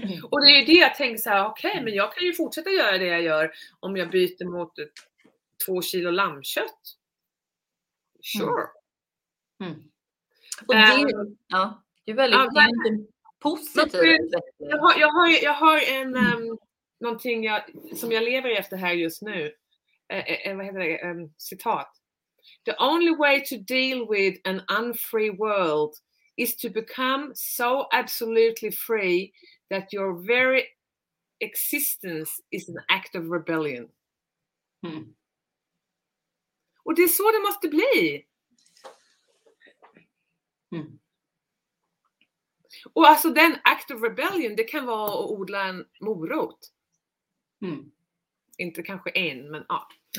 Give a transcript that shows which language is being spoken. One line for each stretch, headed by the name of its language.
Swedish: Och det är ju det jag tänker så här, okej, men jag kan ju fortsätta göra det jag gör om jag byter mot 2 kilo lammkött.
English: Sure.
Swedish: Mm. Och det är väldigt positivt. Jag har en någonting som jag lever efter här just nu. Vad heter det? Citat.
English: The only way to deal with an unfree world is to become so absolutely free that your very existence is an act of rebellion. Mm.
Swedish: Och det är så det måste bli. Mm. Och alltså den
English: act of rebellion,
Swedish: det kan vara att odla en morot. Mm. Inte kanske en, men ja.